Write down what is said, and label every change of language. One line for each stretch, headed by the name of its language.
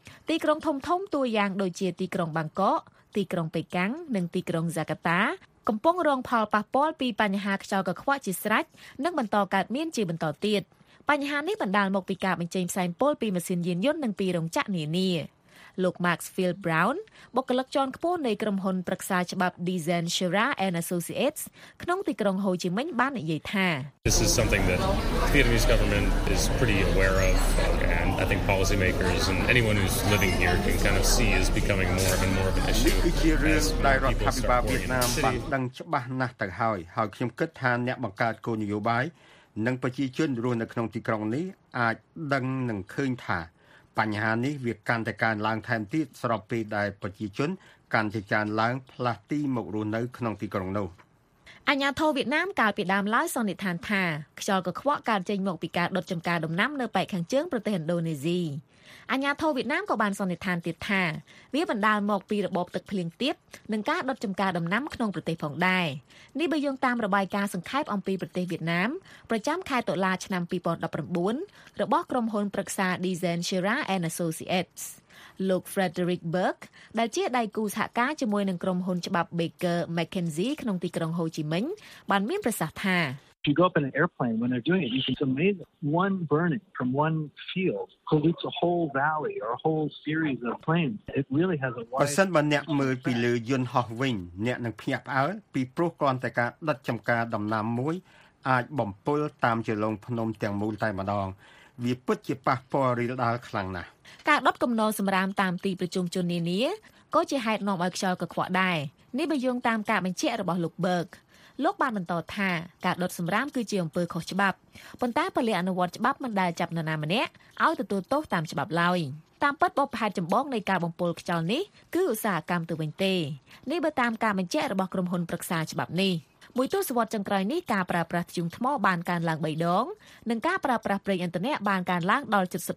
Khmer: ទីក្រុងធំៗតួយ៉ាងដូចជាទីក្រុងបាងកកទីក្រុងប៉េកាំងនិងទីក្រុងហ្សាកាតាកំពុងរងផលប៉ះពាល់ពីបញ្ហាខ្យល់កខ្វក់ជាស្រេចនិងបន្តកើតមានជាបន្តទៀតបញ្ហានេះបណ្ដាលមកពីការបញ្ចេញផ្សែងពុលពីម៉ាស៊ីនយានយន្តនិងពីរោងចក្រនានាលោក Max Field Brown បុគ្គលិកជាន់ខ្ពស់នៃក្រុមហ៊ុនប្រឹក្សាច្បាប់ Design Shira and Associates ក្នុងទីក្រុងហូជីមិញបាននិយាយថា
English: This is something that the Vietnamese government is pretty aware of and I think policymakers and anyone who's living here can kind of see is becoming more and more of an issue.
Khmer: គឺជារឿងដែលរដ្ឋាភិបាលវៀតណាមបានដឹងច្បាស់ណាស់ទៅហើយហើយខ្ញុំគិតថាអ្នកបង្កើតគោលនយោបាយនិងប្រជាជនរស់នៅក្នុងទីក្រុងនេះអាចដឹងនិងឃើញថាបញ្ហានេះវាកាន់តែកើនឡើងថែមទៀតស្របពេលដែលប្រជាជនកាន់តែច្រើនឡើងផ្លាស់ទីមករស់នៅក្នុងទីក្រុងនោះ អាញាធរវៀតណាមកាលពីដើមឡើយសន្និដ្ឋានថាខ្យល់កខ្វក់កើតចេញមកពីការដុតចម្ការដំណាំនៅប៉ែកខាងជើងប្រទេសឥណ្ឌូនេស៊ី អាញាធរវៀតណាមក៏បានសន្និដ្ឋានទៀតថាវាបណ្ដាលមកពីរបបទឹកភ្លៀងទាបនិងការដុតចម្ការដំណាំក្នុងប្រទេសផងដែរនេះបើយោងតាមរបាយការណ៍សង្ខេបអំពីប្រទេសវៀតណាមប្រចាំខែតុលាឆ្នាំ2019របស់ក្រុមហ៊ុនប្រឹក្សា Design Shira and Associates លោក Frederick Burke ដែលជាដៃគូសហការជាមួយនឹងក្រុមហ៊ុនច្បាប់ Baker McKenzie ក្នុងទីក្រុង Ho Chi Minh បានមានប្រសាសន៍ថា
English: You go up in an airplane when they're doing it, you see it's amazing. One burning from one field pollutes a whole valley or a whole series of planes. It really has a wide...
Khmer: បើសិនបើអ្នកមើលពីលើយន្តហោះវិញអ្នកនឹងភ្ញាក់ផ្អើលពីព្រោះគ្រាន់តែការដុតចម្ការដំណាំមួយអាចបំពុលតាមជាលងភ្នំទាំងមូលតែម្ដងវាពិតជាប៉ះពាល់រីលដាល់ខ្លាំងណាស់ការដុតកំណរសម្រាមតាមទីប្រជុំជននានាក៏ជាហេតុនាំឲ្យខ្យល់កខ្វក់ដែរនេះបើយោងតាមការបញ្ជាក់របស់លោកបឺកលោកបានបន្តថាការដុតសម្រាមគឺជាអំពើខុសច្បាប់ប៉ុន្តែពលិអនុវត្តច្បាប់មិនដែលចាប់នរណាម្នាក់ឲ្យទទួលទោសតាមច្បាប់ឡើយតាមពិតបបផែនចម្បងនៃការបំពុលខ្យល់នេះគឺឧស្សាហកម្មទៅវិញទេនេះបើតាមការបញ្ជាក់របស់ក្រុមហ៊ុនប្រឹក្សាច្បាប់នេះមួយទសវត្សរ៍ចុងក្រោយនេះការប្រើប្រាស់ធ្យូងថ្មបានកើនឡើង3ដងនិងការប្រើប្រាស់ប្រេងឥន្ធនៈបានកើនឡើងដល់